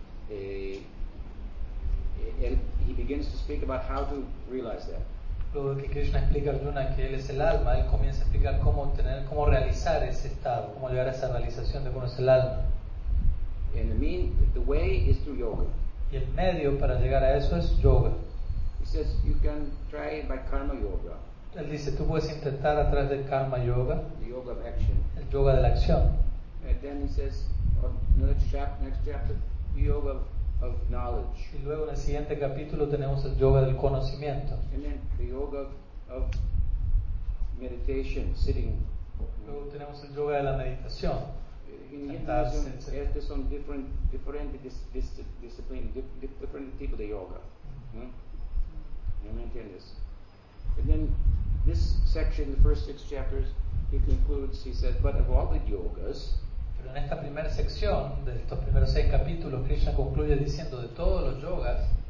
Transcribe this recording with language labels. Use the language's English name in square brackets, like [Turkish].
[English] He begins to speak about how to realize that. [Spanish] Luego que Krishna explica a Arjuna que él es el alma, él comienza a explicar cómo tener, cómo realizar ese estado, cómo llegar a esa realización de cómo es el alma. [English] And the mean, the way is through yoga. [Spanish] Y el medio para llegar a eso es yoga. [English] He says you can try by karma yoga. [Spanish] Él dice tú puedes intentar a través del karma yoga. [English] The yoga of action. [Spanish] El yoga de la acción. [English] And then he says next chapter yoga of knowledge. [Spanish] Y luego en el siguiente capítulo tenemos el yoga del conocimiento. [English] And then the yoga of meditation, sitting. [Spanish] Luego tenemos el yoga de la meditación. [English] In Hinduism, yes, there's some different discipline, different type of the yoga. You maintain this. And then this section, the first six chapters, he concludes, he says, but of all the yogas, [Spanish] pero en esta primera sección, de estos primeros seis capítulos, Krishna concluye diciendo, de todos los yogas,